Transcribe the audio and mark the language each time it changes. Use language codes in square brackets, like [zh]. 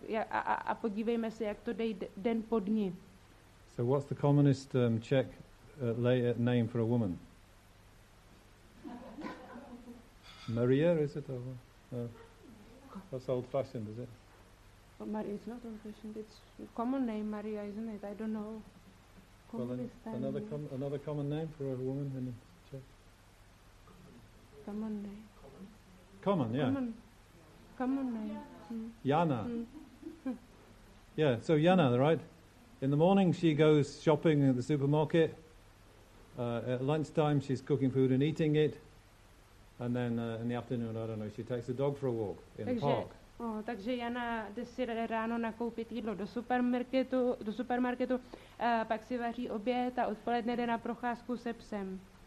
[cs] a podívejme se, jak to jde den po dni. [en] So what's the commonest Czech name for a woman? Maria, is it? Or, that's old-fashioned, is it? Well, Maria is not old-fashioned. It's a common name, Maria, isn't it? I don't know. Well, another common name for a woman in Czech? Common name. Common, yeah. Common name. Mm. Jana. Mm. Yeah, so Jana, right? In the morning, she goes shopping at the supermarket. At lunchtime, she's cooking food and eating it. And then in the afternoon, I don't know, she takes the dog for a walk in the park. [cs] Oh, takže Jana jde si ráno nakoupit jídlo do supermarketu, pak si vaří oběd a odpoledne jde na procházku se psem.